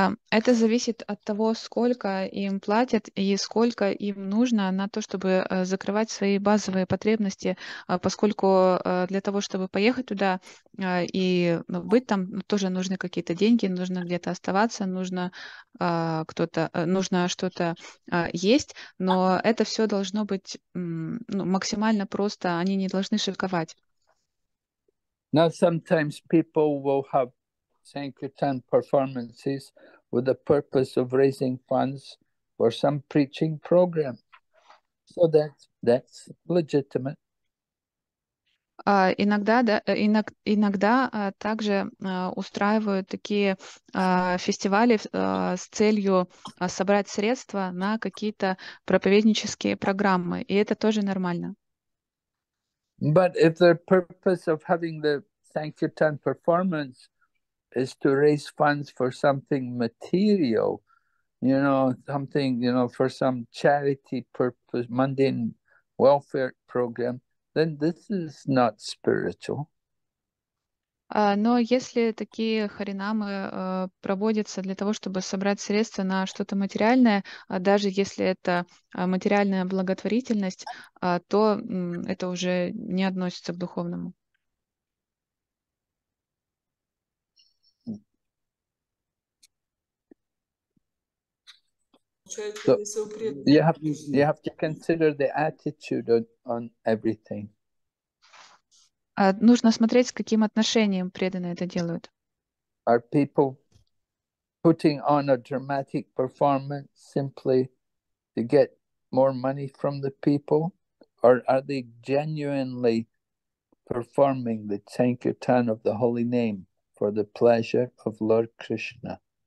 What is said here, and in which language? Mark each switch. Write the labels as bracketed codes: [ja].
[ru] Это зависит от того, сколько им платят и сколько им нужно на то, чтобы закрывать свои базовые потребности, поскольку для того, чтобы поехать туда и быть там, тоже нужны какие-то деньги, нужно где-то оставаться, нужно что-то есть, но это все должно быть ну, максимально просто, они не должны шиковать. [en] Now sometimes people will have Sankirtan performances with the purpose of raising funds for some preaching program. So that's legitimate. [ru] Иногда также устраивают такие фестивали с целью собрать средства на какие-то проповеднические программы, и это тоже нормально. [en] But if the purpose of having the Sankirtan performance is to raise funds for something material, you know, something, you know, for some charity purpose, mundane welfare program, then this is not spiritual. [ru] Но если такие харинамы проводятся для того, чтобы собрать средства на что-то материальное, даже если это материальная благотворительность, то это уже не относится к духовному. [en] So you have to consider the attitude on everything. [ru] Нужно смотреть, с каким отношением преданные это делают. [en] Are people putting on a dramatic performance simply to get more money from the people? Or are they genuinely performing the Sankirtan of the Holy Name for the pleasure of Lord Krishna?